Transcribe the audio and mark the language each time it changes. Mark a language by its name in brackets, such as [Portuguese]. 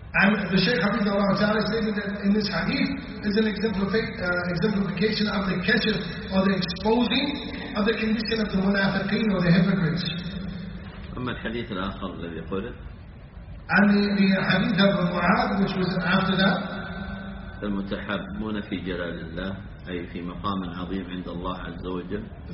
[English] And the Shaykh Hafizullah Ta'ala stated that in this hadith is an exemplification of the kashf or the exposing of the condition of the munafiqeen or the hypocrites. [Arabic] أما الحديث الآخر الذي قلت عن حديث أبو معاذ [English] which was after that [Arabic] المتحابون في جلال الله أي في مقام عظيم عند الله عز وجل